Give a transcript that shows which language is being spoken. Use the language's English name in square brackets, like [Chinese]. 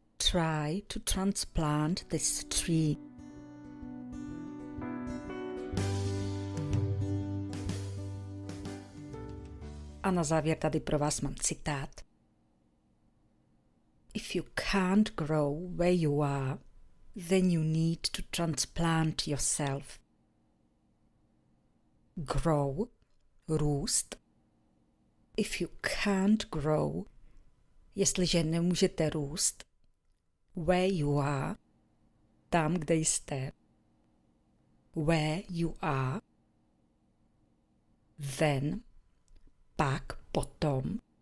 [English] Try to transplant this tree. [Czech] A na závěr tady pro vás mám citát. [English] If you can't grow where you are, then you need to transplant yourself. [Czech] Grow, růst. [English] If you can't grow, [Czech] jestliže nemůžete růst, [English] where you are, [Czech] tam, kde jste. [English] Where you are, then, [Czech] pak, potom.